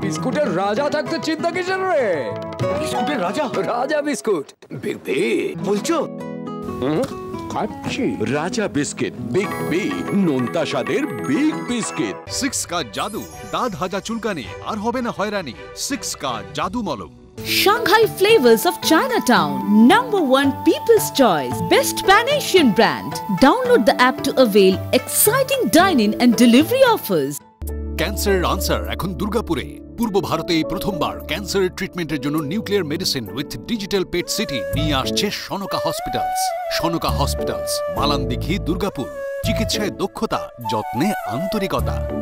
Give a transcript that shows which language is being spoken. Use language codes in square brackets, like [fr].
[bn] বিস্কুটের রাজা থাকতে চিন্তা কিসের রে? বিস্কুটের রাজা, রাজা বিস্কুট, বিগ বি বলছো? খাচ্ছি রাজা বিস্কিট, বিগ বি নোনতা স্বাদের বিগ বিস্কিট। 6 কাজ জাদু, দাঁত ভাজা চুলকানি, আর হবে না হয়রানি। 6 কাজ জাদু মলম। [en] Shanghai Flavors of Chinatown, number one people's choice, best Pan-Asian brand. Download the app to avail exciting dine-in and delivery offers. [bn] ক্যান্সারের আনসার এখন দুর্গাপুরে। পূর্ব ভারতে এই প্রথমবার ক্যান্সারের ট্রিটমেন্টের জন্য nuclear medicine with digital PET CT নিয়ে আসছে সনকা হসপিটালস। সনকা হসপিটালস, মালান্দিঘি, দুর্গাপুর। চিকিৎসায় দক্ষতা, যত্নে আন্তরিকতা।